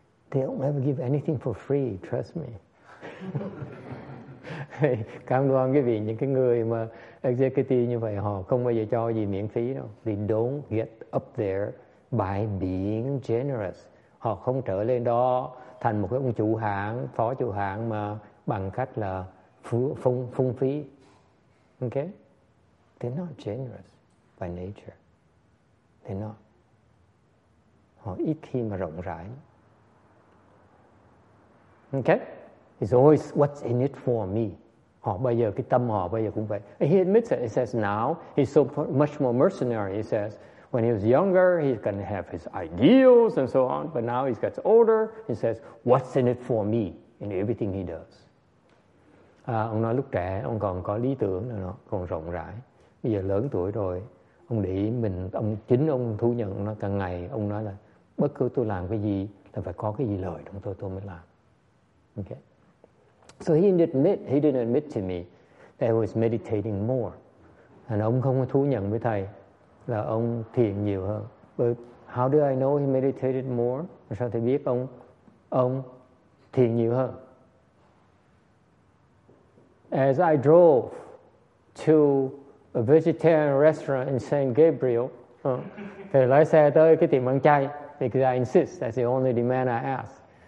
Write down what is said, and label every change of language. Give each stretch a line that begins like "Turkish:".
English: They don't ever give anything for free, trust me.
Vietnamese: Cảm đoan quý vị, những cái người mà executive như vậy họ không bao giờ cho gì miễn phí đâu.
English: They don't get up there by being generous.
Vietnamese: Họ không trở lên đó thành một cái ông chủ hãng, phó chủ hãng mà bằng cách là phung phí.
English: Ok? They're not generous by nature. They're not.
Vietnamese: Họ ít khi mà rộng rãi.
English: Ok? It's always what's in it for me.
Vietnamese: Họ bây giờ, cái tâm họ bây giờ cũng vậy.
English: He admits it. He says now, he's so much more mercenary, he says. When he was younger, he's going to have his ideals and so on. But now he gets older, he says, what's in it for me in everything he does?
Vietnamese: Ông nói lúc trẻ, ông còn có lý tưởng, nữa, nó còn rộng rãi. Bây giờ lớn tuổi rồi, ông để mình, ông chính ông thu nhận nó càng ngày. Ông nói là bất cứ tôi làm cái gì, là phải có cái gì lợi trong tôi mới làm.
English: Okay? So he didn't admit to me that he was meditating more.
Vietnamese: And ông không có thu nhận với thầy. Là ông thiền nhiều hơn.
English: But how do I know he meditated more?
Vietnamese: Sao thầy biết ông thiền nhiều hơn?
English: As I drove to a vegetarian restaurant in San Gabriel,
Vietnamese: thầy lái xe tới cái tiệm ăn chay.
English: Because I insist, that's the only demand I ask.